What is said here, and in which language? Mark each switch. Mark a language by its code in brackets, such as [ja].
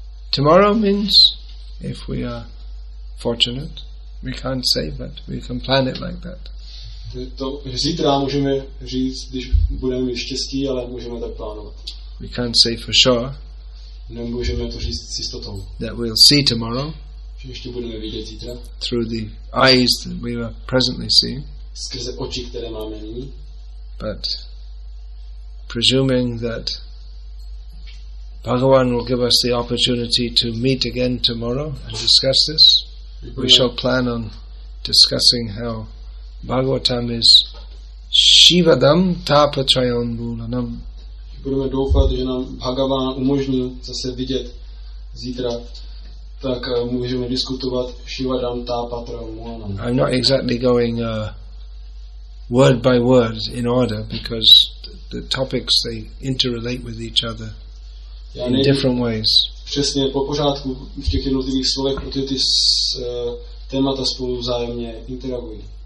[en] Tomorrow means, if we are fortunate, we can't say, but we can plan it like that. [cs] To zítra můžeme říct, když budeme mít štěstí, ale můžeme tak plánovat. [en] We can't say for sure. [cs] Nemůžeme to říct s jistotou. [en] That we'll see tomorrow. [cs] Že ještě budeme vidět zítra. [en] Through the eyes that we are presently seeing. [cs] Skrze oči, které máme nyní. [en] But presuming that Bhagavan will give us the opportunity to meet again tomorrow and discuss this, we shall plan on discussing how Bhagavatam is [sa] Shivadam Tapatrayon Mulanam. [cs] Budeme doufat, že nám Bhagavan umožní zase vidět zítra, tak můžeme diskutovat [sa] Shivadam Tapatrayon Mulanam. [en] I'm not exactly going word by word in order because the topics, they interrelate with each other. [cs] Já [en] in different ways. [cs] Přesně po pořádku v těch jednotlivých slovech, protože ty témata spolu vzájemně interagují.